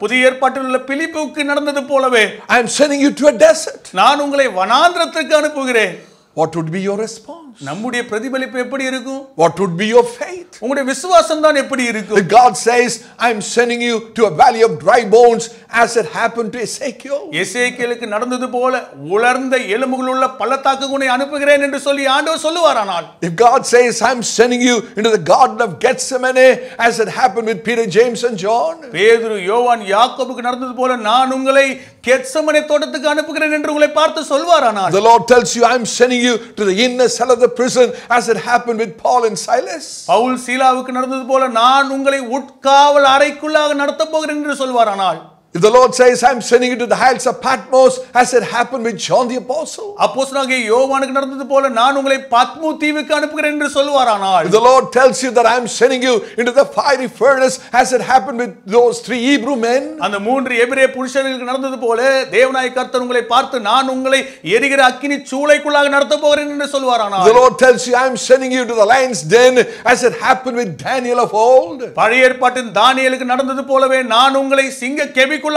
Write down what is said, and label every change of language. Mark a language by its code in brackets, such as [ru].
[ta] புதிய ஏற்பாட்டில் உள்ள பிலிப்புக்கு நடந்தது போலவே [en] I am sending you to a desert. [ta] நான் உங்களை வனாந்திரத்துக்கு அனுப்புகிறேன். [en] What would be your response? [ta] நம்முடைய பிரதிபலிப்பு எப்படி இருக்கும்? [en] What would be your faith? [ta] உங்களுடைய விசுவாசம் தான் எப்படி இருக்கும்? [en] If God says, I am sending you to a valley of dry bones as it happened to Ezekiel. [ta] எசேக்கியேலுக்கு நடந்தது போல உலர்ந்த எலும்புகள் உள்ள பள்ளத்தாக்குக்குனை அனுப்புகிறேன் என்று சொல்லி ஆண்டவர் சொல்லுவாரானால் [en] If God says, I am sending you into the garden of Gethsemane as it happened with Peter, James and John. [ta] பேதுரு, யோவான், யாக்கோபுக்கு நடந்தது போல நான் உங்களை கெத்செமனே தோட்டத்துக்கு அனுப்புகிறேன் என்று உங்களை பார்த்து சொல்வாரானால் [en] The Lord tells you, I am sending you to the inner cell of the prison as it happened with Paul and Silas. [ta] Pavul சீலாவுக்கு நடந்தது போல நான் உங்களை உட்காவல் அறைக்குள்ளாக நடத்த போகிறேன் என்று சொல்வாரானால் [en] If the Lord says, "I am sending you to the heights of Patmos," as it happened with John the Apostle. [ta] அப்போஸ்தலனாகிய யோவானுக்கு நடந்தது போல நான் உங்களை பத்மு தீவுக்கு அனுப்புகிறேன் என்று சொல்வாரானால். [en] If the Lord tells you that I am sending you into the fiery furnace, as it happened with those three Hebrew men. [ta] அந்த மூன்று எபிரேய புருஷர்களுக்கு நடந்தது போல தேவனாய் கர்த்தர் உங்களை பார்த்து நான் உங்களை எரிகிற அக்கினி சூளைக்குள்ளாக நடத்த போகிறேன் என்று சொல்வாரானால். [en] The Lord tells you, "I am sending you to the lion's den," as it happened with Daniel of old. [ta] பழைய ஏற்பாட்டின் தானியேலுக்கு நடந்தது போலவே நான் உங்களை சிங்க கெபி